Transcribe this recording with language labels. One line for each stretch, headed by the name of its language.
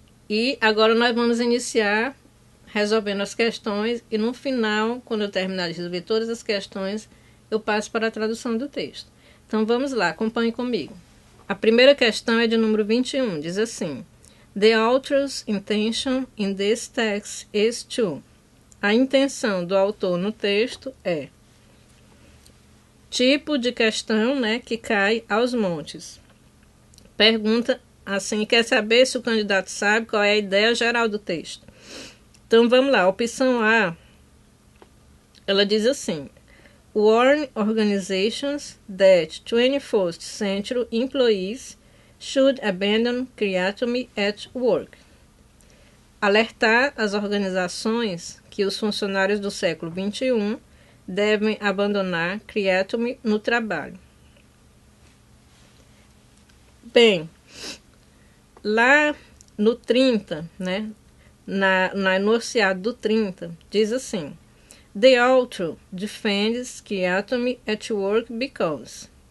Portuguese: E agora nós vamos iniciar resolvendo as questões, e no final, quando eu terminar de resolver todas as questões, eu passo para a tradução do texto. Então vamos lá, acompanhe comigo. A primeira questão é de número 21, diz assim.
English: The author's intention in this text is to.
Portuguese: A intenção do autor no texto é. Tipo de questão, né, que cai aos montes. Pergunta assim, quer saber se o candidato sabe qual é a ideia geral do texto. Então vamos lá, opção A. Ela diz assim:
English: Warn organizations that 21st century employees should abandon creativity at work.
Portuguese: Alertar as organizações que os funcionários do século XXI devem abandonar creativity no trabalho. Bem, lá no 30, né, no enunciado do 30, diz assim:
English: The author defends creativity at work because.